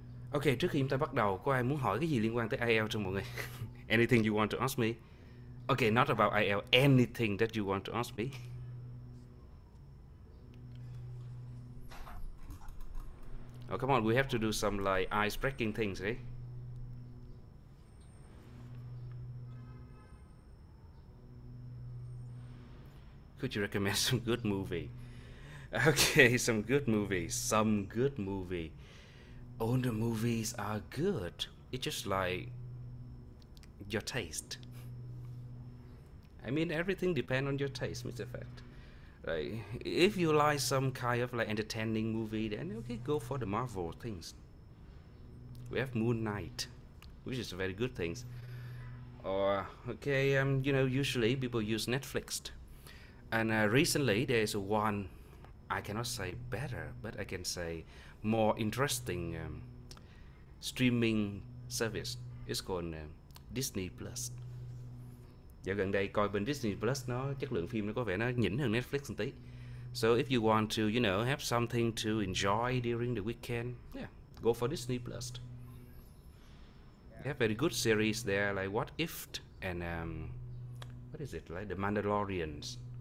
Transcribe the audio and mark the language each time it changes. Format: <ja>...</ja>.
<vi>Ok, trước khi chúng ta bắt đầu, có ai muốn hỏi cái gì liên quan tới IELTS không mọi người?</vi> <en>Anything you want to ask me? Ok, not about IELTS, anything that you want to ask me? Oh, come on, we have to do some like ice-breaking things, eh? Could you recommend some good movie? Okay, some good movie. Some good movie. All the movies are good. It's just like your taste. I mean, everything depends on your taste, Mr. Fact. Like, if you like some kind of like entertaining movie, then okay, go for the Marvel things. We have Moon Knight, which is a very good things. Or okay, you know, usually people use Netflix. And recently, there is one I cannot say better, but I can say more interesting streaming service. It's called Disney Plus.</en> <vi>Dạo gần đây coi bên Disney Plus nó chất lượng phim nó có vẻ nó nhỉnh hơn Netflix một tí.</vi> <en>So if you want to, you know, have something to enjoy during the weekend, yeah, go for Disney Plus. They have very good series there, like What If and what is it like The Mandalorians.</en>